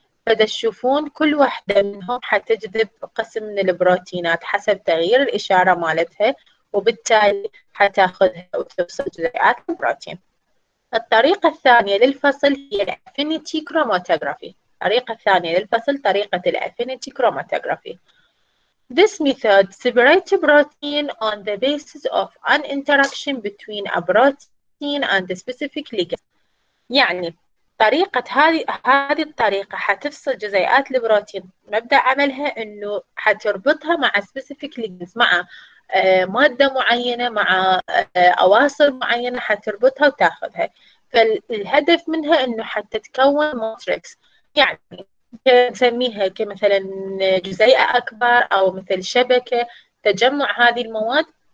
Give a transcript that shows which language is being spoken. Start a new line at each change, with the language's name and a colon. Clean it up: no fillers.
Arabic: فده تشوفون كل واحده منهم حتجذب قسم من البروتينات حسب تغيير الاشاره مالتها، وبالتالي حتاخذها وتفصل جزيئات البروتين. الطريقه الثانيه للفصل هي الافينيتي كروماتوغرافي، الطريقه الثانيه للفصل طريقه الافينيتي كروماتوغرافي.
English: This method separates a protein on the basis of an interaction between a protein and a specific ligand.
Arabic: يعني طريقة هذه الطريقة حتفصل جزيئات البروتين، مبدأ عملها إنه حتربطها مع specific ligands، مع مادة معينة، مع أواصر معينة حتربطها وتاخذها. فالهدف منها إنه حتى تكون matrix، يعني نسميها كمثلا جزيئة أكبر أو مثل شبكة تجمع هذه المواد.